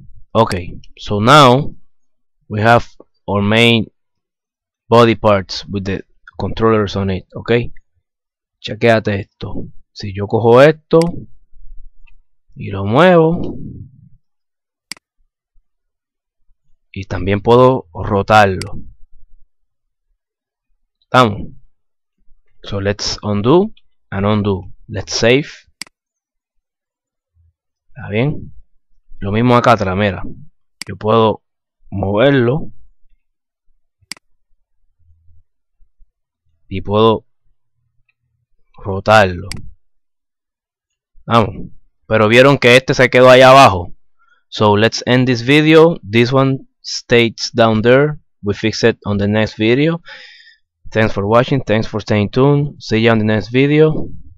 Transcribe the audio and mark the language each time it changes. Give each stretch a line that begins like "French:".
English: Ok, so now we have our main body parts with the controllers on it, ok.
Spanish: Chequéate esto. Si yo cojo esto y lo muevo, y también puedo rotarlo. Estamos.
English: So let's undo and undo. Let's save.
Spanish: ¿Está bien? Lo mismo acá atrás, mira. Yo puedo moverlo. Y puedo rotarlo. Vamos. Pero vieron que este se quedó ahí abajo.
English: So let's end this video. This one stays down there. We fix it on the next video. Thanks for watching. Thanks for staying tuned. See you on the next video.